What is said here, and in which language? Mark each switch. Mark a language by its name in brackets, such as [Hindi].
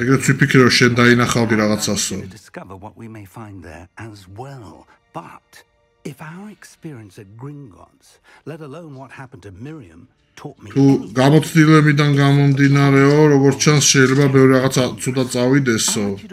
[Georgian] ეგრე ვფიქრობ შენ დაინახავდი რაღაცასო. [English] Discover what we may find there as well. But if our experience at Gringotts, let alone what happened to Miriam, taught me. [Georgian] თუ გამოცდილებიდან გამომდინარეო, როგორც ჩანს შეიძლება ბევრი რაღაცა ცუდა წავიდესო.